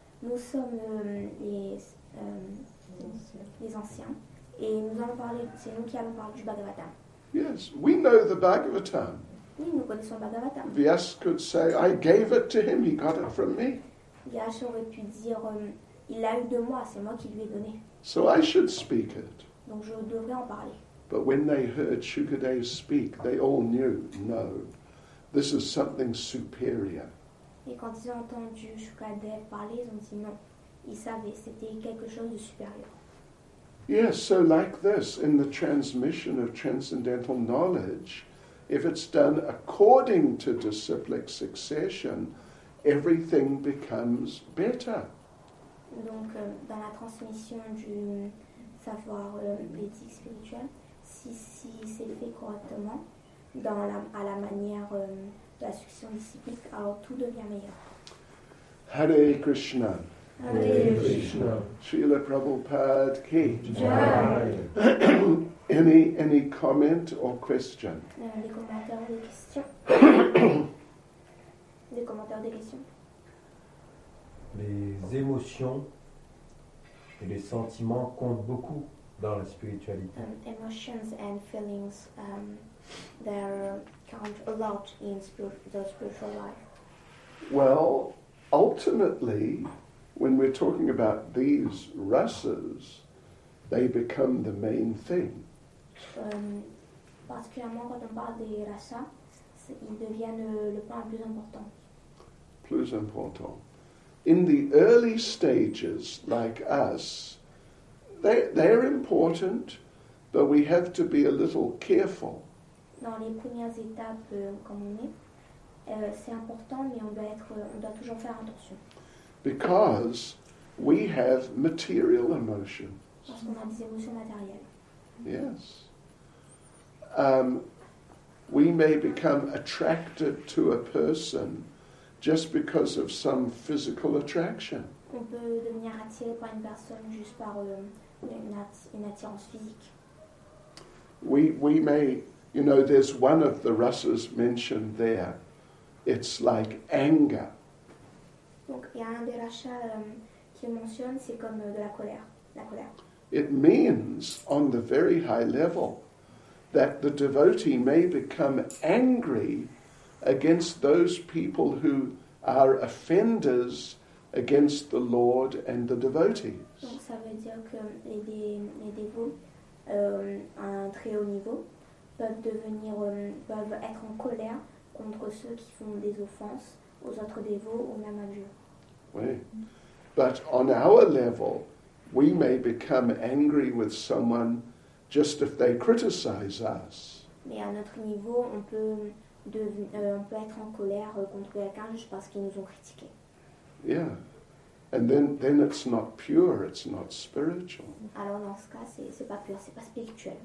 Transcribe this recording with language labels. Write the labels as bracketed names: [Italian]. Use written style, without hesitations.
[French] Nous sommes les anciens et nous allons parler, c'est nous qui allons parler du Bhagavatam. [English] Yes, we know the Bhagavatam. [French] Oui, nous connaissons le Bhagavatam. [English] Vyas could say, I gave it to him, he got it from me. [French] Vyas aurait pu dire, il l'a eu de moi, c'est moi qui lui ai donné. [English] So I should speak it. [French] Donc je devrais en parler. [English] But when they heard Shukadeva speak, they all knew, no, this is something superior. [French] Et quand ils ont entendu Shukadeva parler, ils ont dit non. Ils savaient, c'était quelque chose de supérieur. [English] Yes, so like this, in the transmission of transcendental knowledge, if it's done according to disciplic succession, everything becomes better. [French] Donc, dans la transmission du savoir l'éthique spirituelle, si c'est fait correctement, à la manière... la succession disciplique, alors tout devient meilleur. [Sanskrit] Hare Krishna. Hare Krishna. Srila Prabhupada ki. Jai. [English] any comment or question? [French] Des commentaires, des questions. Des commentaires, des questions. Les émotions et les sentiments comptent beaucoup dans la spiritualité. [English] Emotions and feelings, there count a lot in the spiritual life. Well, ultimately, when we're talking about these rasas, they become the main thing. [French] Particulièrement quand on parle des rasas, ils deviennent le point le plus important. Plus important. [English] In the early stages, like us, they're important, but we have to be a little careful. [French] Dans les premières étapes, comme on est, c'est important, mais on doit toujours faire attention. [English] Because we have material emotions. [French] Parce qu'on a des émotions matérielles. [English] Yes. We may become attracted to a person just because of some physical attraction. [French] On peut devenir attiré par une personne juste par une attirance physique. [English] We may, you know, there's one of the rasas mentioned there. It's like anger. [French] Donc il y a un des rasas qui mentionne, c'est comme de la colère, la colère. [English] It means on the very high level that the devotee may become angry against those people who are offenders against the Lord and the devotees. [French] Donc ça veut dire que les dévots à un très haut niveau peuvent être en colère contre ceux qui font des offenses aux autres dévots ou même à Dieu. Oui. [English] But on our level, we may become angry with someone just if they criticize us. [French] Mais à notre niveau, on peut être en colère contre quelqu'un juste parce qu'ils nous ont critiqué. [English] Yeah. And then it's not pure, it's not spiritual. [French] Alors dans ce cas, c'est pas pur, c'est pas spirituel.